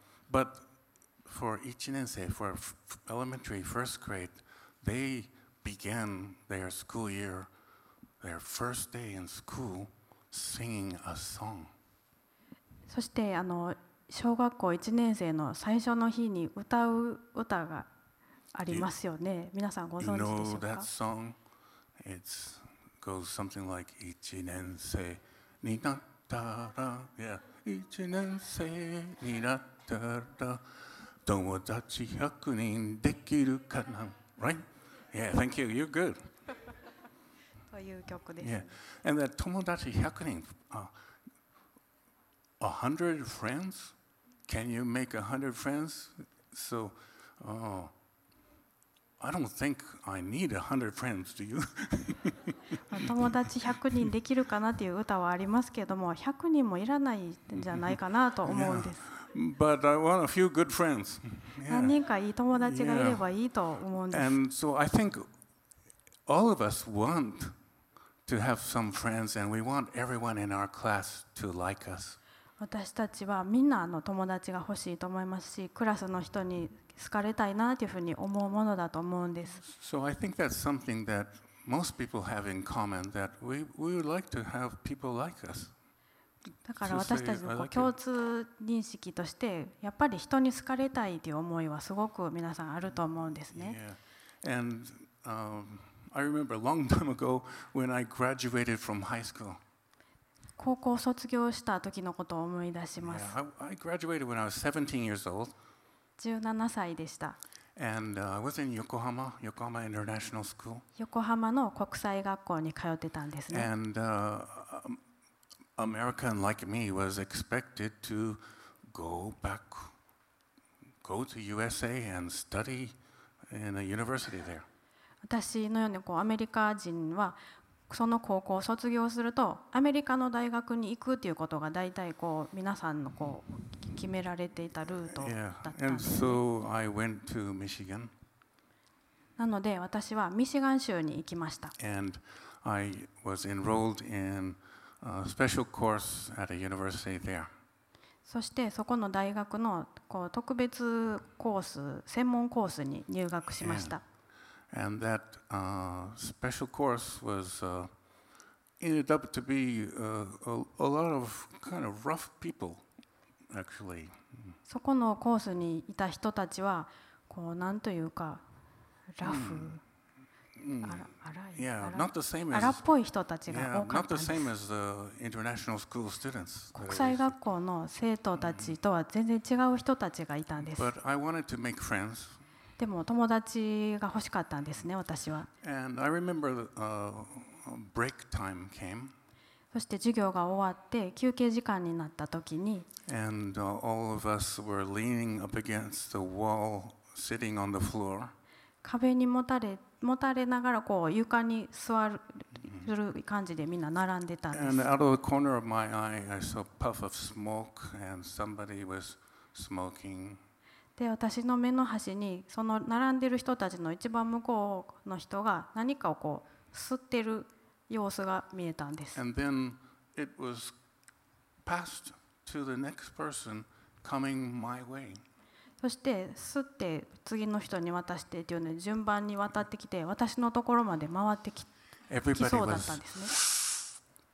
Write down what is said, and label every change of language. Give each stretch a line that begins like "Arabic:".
English: But for 1年生, for elementary, first grade, they began their school year, their first day in school, singing a song.
Japanese: そして小学校1年生の最初の日に歌う歌がありますよね。皆さんご存知でしょうか?
English: You know that song? It goes something like
Japanese: 1年生になったら
English: Yeah,
Japanese: 1年生になったら友達100人できるかな?
English: Right? Yeah, thank you. You're good.
Japanese: という曲です。
English: Yeah. And the
Japanese: 友達100人
English: 100 friends? Can you make 100 friends? So, I don't think I need 100 friends, do you?
Japanese: 友達100人できるかなっていう歌はありますけども、100人もいらないんじゃないかなと思うんです。
English: Yeah. But I want a few good friends. Yeah.
Japanese: 何人かいい友達がいればいいと思うんです。
English: Yeah. And so I think all of us want to have some friends, and we want everyone in our class to like us.
Japanese: 私たちはみんな友達が欲しいと思いますし、クラスの人に好かれたいなというふうに思うものだと思うんです。
English: So I think that's something that most people have in common, that we would like to have people like us.
Japanese: だから私たちの共通認識としてやっぱり人に好かれたいという思いはすごく皆さんあると思うんですね。
English: Yeah. And, I remember a long time ago when I graduated from high school.
Japanese: 高校卒業した時のことを思い出します。
English: Yeah. I graduated when I was 17 years old.
Japanese: 17歳でした。
English: And, I was in Yokohama, Yokohama International School.
Japanese: 横浜の国際学校に通ってたんですね。
English: And, American like me was expected to go back, go to USA and study in a university there.
Japanese: 私のようにアメリカ人はその高校を卒業するとアメリカの大学に行くということが大体皆さんの決められていたルートだったんです。
English: Yeah. And so I went to Michigan.
Japanese: なので私はミシガン州に行きました。
English: And I was enrolled in a special course at a university there.
Japanese: そしてそこの大学の特別コース、専門コースに入学しました。
English: And that special course was ended up to be a lot of kind of rough people, actually.
Japanese: そこのコースにいた人たちはなんというかラフ。荒っぽい人たちが多かったんです。
English: Yeah, not the same as
Japanese: 国際学校の生徒たちとは全然違う人たちがいたんです。
English: But I wanted to make friends.
Japanese: でも友達が欲しかったんですね、私は。
English: And I remember, break time came.
Japanese: そして授業が終わって休憩時間になった時に、
English: And, all of us were leaning up against the wall, sitting on the floor.
Japanese: 壁にもたれながら床に座る感じでみんな並んでたんです。
English: And out of the corner of my eye, I saw a puff of smoke, and somebody was smoking.
Japanese: で、私の目の端にその並んでる人たちの一番向こうの人が何かを吸ってる様子が見えたんです。
English: And then it was passed to the next person coming my way.
Japanese: そして吸って次の人に渡してというので順番に渡ってきて私のところまで回ってきそうだったんですね。